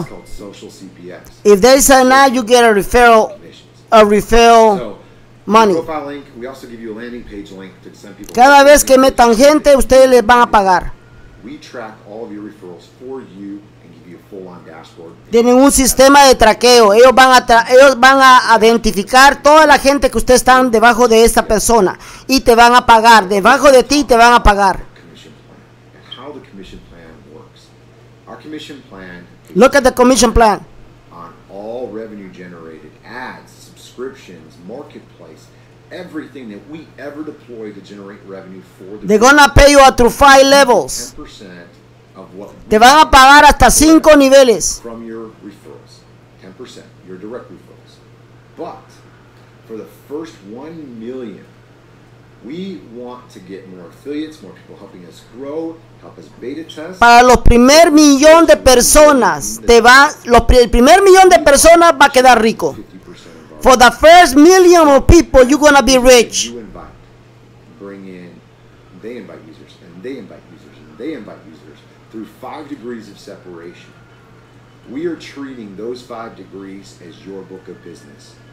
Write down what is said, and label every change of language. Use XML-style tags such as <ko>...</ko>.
<en>It's called Social CPX. If they sign up, you get a referral money. Profile link. We also give you a landing page link to send people.</en> <es>Cada vez que metan gente, ustedes les van a pagar.</es> <en>We track all of your referrals for you and give you a full-on dashboard.</en> <es>Tienen un sistema de traqueo. Ellos van a identificar toda la gente que usted está debajo de esta persona y te van a pagar. Debajo de ti te van a pagar.</es> <en>How the commission plan works. Our commission plan. Look at the commission plan. On all revenue generated, ads, subscriptions, marketplace, everything that we ever deploy to generate revenue for the They're gonna pay you up to 5 levels. 10% of what</en> <es>Te van a pagar hasta 5 niveles.</es> <en>From your referrals, 10%, your direct referrals. But for the first 1 million, we want to get more affiliates, more people helping us grow, help us beta test.</en> <es>Para los primer millón de personas, el primer millón de personas va a quedar rico.</es> <en>For the first million of people, you're going to be rich. You invite, bring in, they invite users, and they invite users, and they invite users through 5 degrees of separation. We are treating those 5 degrees as your book of business.</en>